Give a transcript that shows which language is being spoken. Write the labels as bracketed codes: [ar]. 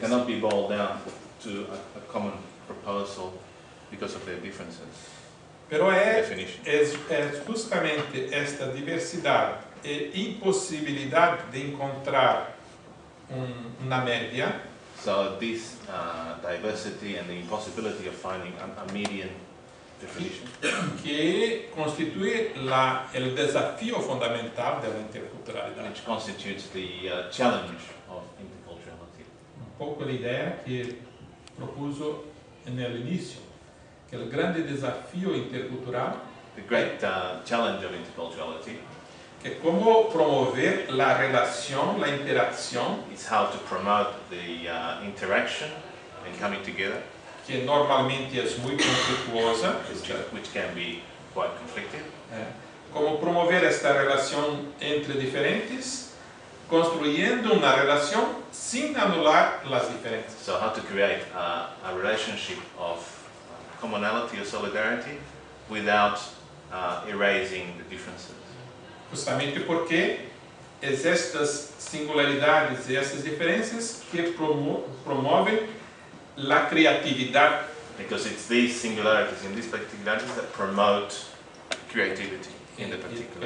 [en] Cannot be boiled down to a common proposal because of their differences. [es] Pero es justamente esta diversidad e imposibilidad de encontrar una media. [en] So this diversity and the impossibility of finding a median definition. [es] Que constitui el desafio fundamental de la interculturalidad. [en] Which constitutes the challenge of interculturality. [es] Un poco la idea que propuso en el inicio, que el grande desafio intercultural. [en] The great challenge of interculturality. [es] Que como promover la relación, la interacción. [en] It's how to promote the interaction and coming together. [es] Que normalmente es muy conflictuosa. [en] Which can be quite conflicted. [es] Como promover esta relación entre diferentes, construyendo una relación sin anular las diferencias. [en] So how to create a relationship of commonality or solidarity without erasing the differences. [es] Justamente porque es estas singularidades y estas diferencias que promueven la creatividad. [en] Because it's these singularities and these particularities that promote creativity in the particular.